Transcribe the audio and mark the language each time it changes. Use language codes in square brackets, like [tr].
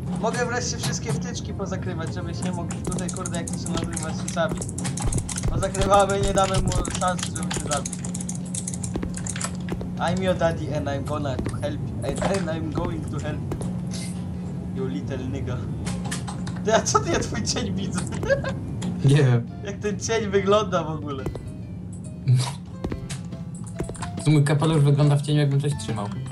[pl] Mogę wreszcie wszystkie wtyczki pozakrywać, żebyś nie mógł tutaj, kurde, jak to się nazywa, się zabić. Pozakrywamy, nie damy mu szansy, żeby się zabić. [en] I'm your daddy and I'm gonna to help you. And I'm going to help you. You little nigga. [pl] Ty, a co ty, ja twój cień widzę? Nie wiem. Jak ten cień wygląda w ogóle? To mój kapelusz wygląda w cieniu, jakbym coś trzymał.